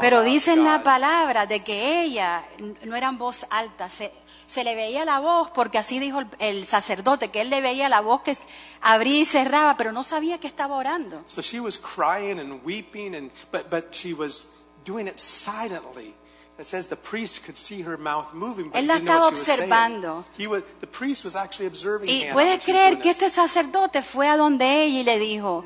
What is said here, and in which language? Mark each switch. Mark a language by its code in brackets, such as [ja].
[es] Pero dicen la palabra de que ella no era en voz alta, se le veía la voz, porque así dijo el sacerdote, que él le veía la voz que abría y cerraba, pero no sabía que estaba orando. [en] So she was crying and weeping, and but she was doing it silently. It says the priest could see her mouth moving, but [es] él la estaba observando. [en] The priest was actually observing. [es] Y puede creer que este sacerdote fue a donde ella y le dijo.